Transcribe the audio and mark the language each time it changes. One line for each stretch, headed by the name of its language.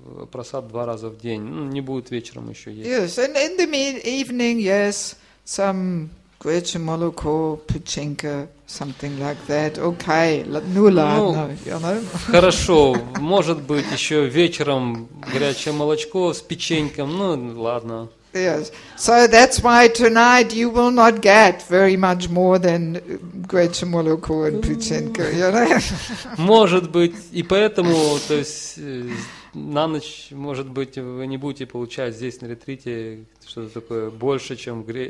Russian: Просад два раза в день, ну, не будет вечером еще есть.
English: Yes, and in the evening, yes, some
Russian: gretchen moloko, pechenka,
English: something like that. Okay,
Russian: ну ладно,
English: you know.
Russian: Хорошо, может быть еще вечером горячее молочко с печеньком, ну ладно.
English: Yes, so that's why tonight you will not get very much more than
Russian: gretchen moloko and pechenka,
English: you know.
Russian: Может быть, и поэтому, то есть на ночь, может быть, вы не будете получать здесь на ретрите что-то такое больше, чем